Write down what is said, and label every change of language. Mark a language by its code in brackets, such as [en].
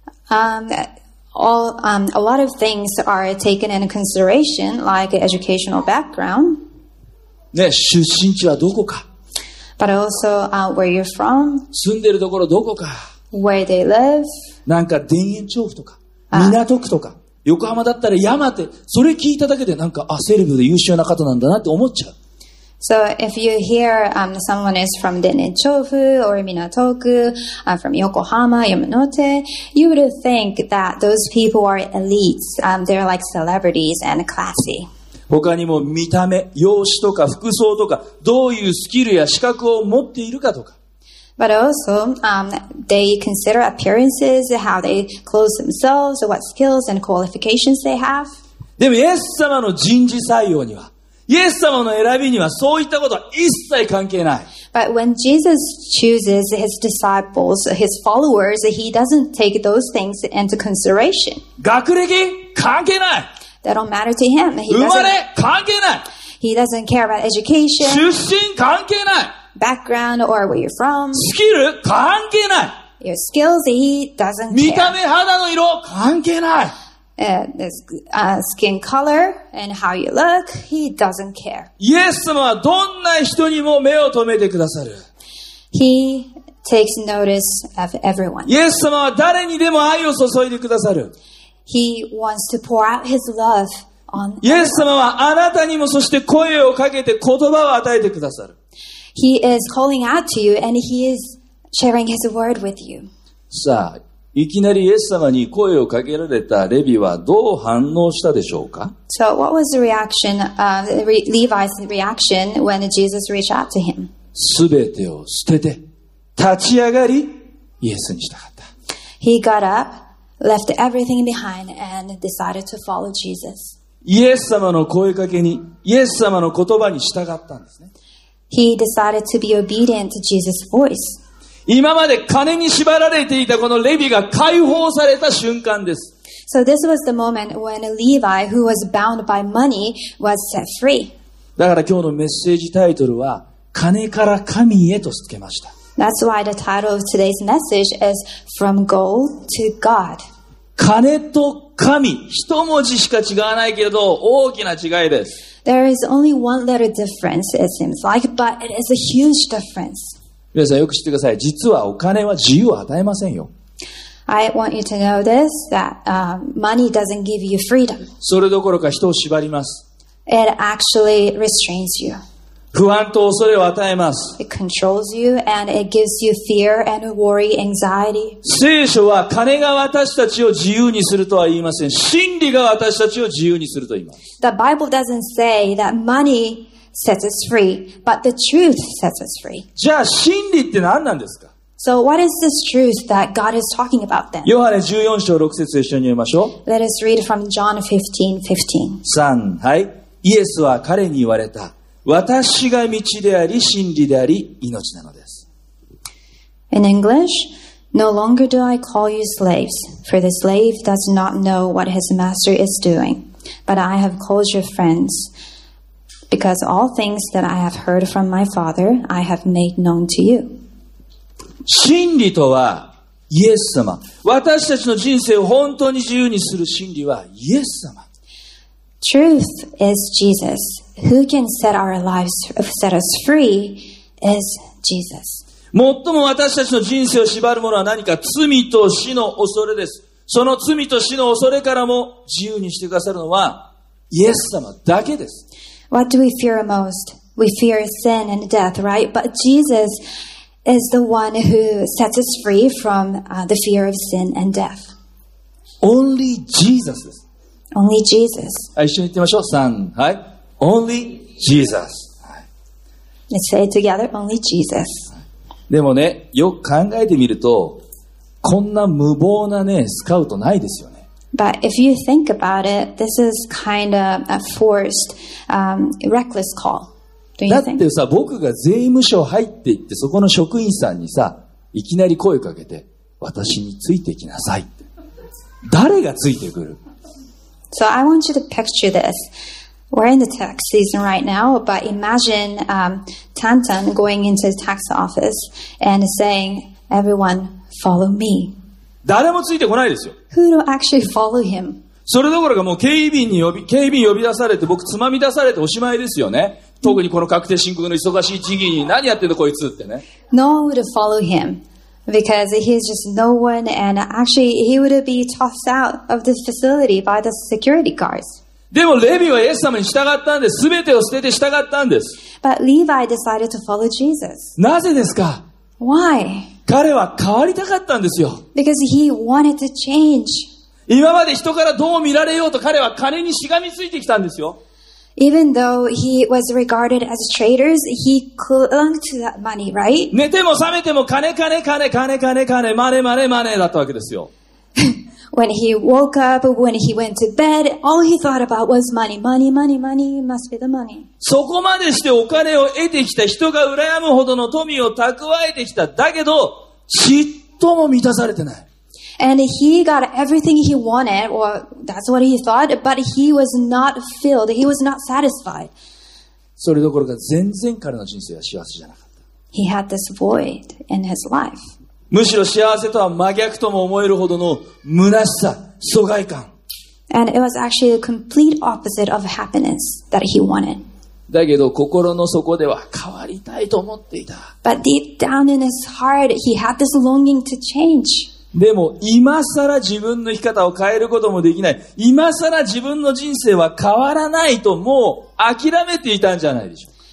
[en] A lot of things are taken into consideration, like educational background. [ja] ね、出身地はどこか。 [en] But also, where you're from. [ja] 住んでるところどこか。 [en] Where they live. [ja] なんか田園調布とか、港区とか、横浜だったら山手、それ聞いただけでなんか、あ、セレブで優秀な方なんだなって思っちゃう。 [en] So if you hear someone is from Denchofu or Minatoku, from Yokohama, Yamanote, you would think that those people are elites. They're like celebrities and classy. [ja] 他にも見た目、容姿とか服装とか、どういうスキルや資格を持っているかとか。 [en] But also, they consider appearances, how they clothe themselves, what skills and qualifications they have. [ja] でもイエス様の人事採用には。イエス様の選びにはそういったことは一切関係ない。 [en] But when Jesus chooses his disciples, his followers, he doesn't take those things into consideration. [ja] 学歴関係ない。 [en] That don't matter to him. [ja] 生まれ関係ない。 [en] He doesn't care about education. [ja] 出身関係ない。 [en] Background or where you're from. [ja] スキル関係ない。 [en] Your skills, he doesn't care. [ja] 見た目肌の色関係ない。 [en] Skin color and how you look, he doesn't care. [ja] イエス様はどんな人にも目を留めてくださる。 [en] He takes notice of everyone. [ja] イエス様は誰にでも愛を注いでくださる。 [en] He wants to pour out his love on. [ja] イエス様はあなたにもそして声をかけて言葉を与えてくださる。 [en] He is calling out to you and he is sharing his word with you. [ja] さあ。いきなりイエス様に声をかけられたレビはどう反応したでしょうか？ [en] So what was the reaction, Levi's reaction when Jesus reached out to him? [ja] すべてを捨てて立ち上がりイエスにしたかった。 [en] He got up, left everything behind and decided to follow Jesus. [ja] イエス様の声かけに、イエス様の言葉に従ったんですね。 [en] He decided to be obedient to Jesus' voice. [ja] 今まで金に縛られていたこのレビが解放された瞬間です。 [en] So this was the moment when Levi, who was bound by money, was set free. [ja] だから今日のメッセージタイトルは、金から神へとつけました。 [en] That's why the title of today's message is From Gold to God. [ja] 金と神、一文字しか違わないけど、大きな違いです。 [en] There is only one letter difference, it seems like, but it is a huge difference. [ja] 皆さんよく知ってください。実はお金は自由を与えませんよ。 [en] I want you to know this, that, money doesn't give you freedom. [ja] それどころか人を縛ります。 [en] It actually restrains you. [ja] 不安と恐れを与えます。 [en] It controls you and it gives you fear and worry, anxiety. [ja] 聖書は金が私たちを自由にするとは言いません。真理が私たちを自由にすると言います。 [en] The Bible doesn't say that money sets us free, but the truth sets us free. [ja] じゃあ真理って何なんですか？ [en] So what is this truth that God is talking about then? [ja] ヨハネ14章6節一緒に読みましょう。 [en] Let us read from John 15:15. [ja] 3、はい。イエスは彼に言われた。私が道であり、真理であり、命なのです。 [en] In English, no longer do I call you slaves, for the slave does not know what his master is doing, but I have called you friends. Because all things that I have heard from my Father, I have made known to you. [ja] 真理とはイエス様。私たちの人生を本当に自由にする真理はイエス様。 [en] Truth is Jesus. Who can set our lives, set us free is Jesus. [ja] 最も私たちの人生を縛るものは何か罪と死の恐れです。その罪と死の恐れからも自由にしてくださるのはイエス様だけです。 [en] What do we fear most? We fear sin and death, right? But Jesus is the one who sets us free from the fear of sin and death. Only Jesus. Only Jesus. [ja] 一緒に言ってみましょう。三、はい。 [en] Only Jesus. Let's say it together. Only Jesus. [ja] でもね、よく考えてみると、こんな無謀なね、スカウトないですよね。 [en] But if you think about it, this is kind of a forced, reckless call. [ja] だってさ、僕が税務署入っていってそこの職員さんにさ、いきなり声をかけて私についてきなさいって、誰がついてくる。 [en] So I want you to picture this. We're in the tax season right now, but imagine、Tantan going into the tax office and saying, everyone follow me. [ja] 誰もついてこないですよ。 [en] Who do actually follow him? [ja] それどころかもう警備員呼び出されて僕つまみ出されておしまいですよね。特にこの確定申告の忙しい時期に何やってんのこいつってね。 [en] No one would follow him because he's just no one and actually he would be tossed out of this facility by the security guards. [ja] でもレビはイエス様に従ったんです。全てを捨てて従ったんです。 [en] But Levi decided to follow Jesus. [ja] なぜですか [en] ?Why? [ja] 彼は変わりたかったんですよ。 [en] Because he wanted to change. [ja] 今まで人からどう見られようと彼は金にしがみついてきたんですよ。 [en] Even though he was regarded as traitors, he clung to that money, right? [ja] 寝ても覚めても金金金金金金マネマネマネだったわけですよ。 [en] When he woke up, when he went to bed, all he thought about was money, money, money, money, must be the money. [ja] そこまでしてお金を得てきた人が羨むほどの富を蓄えてきた。だけど、ちっとも満たされてない。 [en] And he got everything he wanted, or that's what he thought, but he was not filled, he was not satisfied. [ja] それどころか全然彼の人生は幸せじゃなかった。 [en] He had this void in his life. [ja] むしろ幸せとは真逆とも思えるほどの虚しさ、疎外感。 [en] And it was actually a complete opposite of happiness that he wanted. [ja] だけど心の底では変わりたいと思っていた。 [en] But deep down in his heart, he had this longing to change. [ja] でも今さら自分の生き方を変えることもできない、今さら自分の人生は変わらないと、もう諦めていたんじゃないでしょうか。